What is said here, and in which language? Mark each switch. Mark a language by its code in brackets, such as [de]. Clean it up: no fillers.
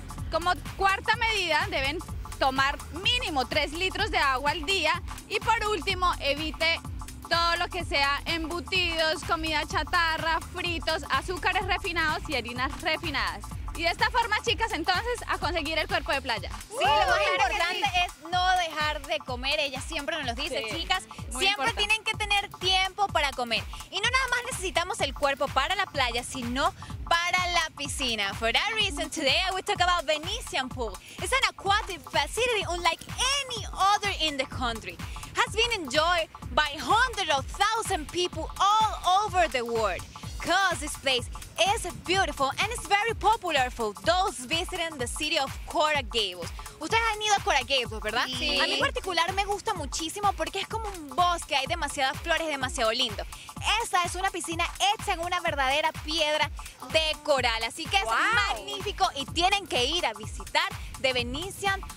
[es] Como cuarta medida deben tomar mínimo 3 litros de agua al día y por último evite todo lo que sea embutidos, comida chatarra, fritos, azúcares refinados y harinas refinadas. Y de esta forma, chicas, entonces, a conseguir el cuerpo de playa. Sí, lo más importante es no dejar de comer. Ella siempre nos lo dice, sí, chicas. Siempre tienen que tener tiempo para comer. Y no nada más necesitamos el cuerpo para la playa, sino para la piscina. [en] For that reason, today I will talk about Venetian Pool. It's an aquatic facility unlike any other in the country. Has been enjoyed by hundreds of thousands of people all over the world. Because this place is beautiful and it's very popular for those visiting the city of Coral Gables. [es] Ustedes han ido a Coral Gables, ¿verdad? Sí. A mí en particular me gusta muchísimo porque es como un bosque, hay demasiadas flores, demasiado lindo. Esta es una piscina hecha en una verdadera piedra de coral, así que es magnífico y tienen que ir a visitar The Venetian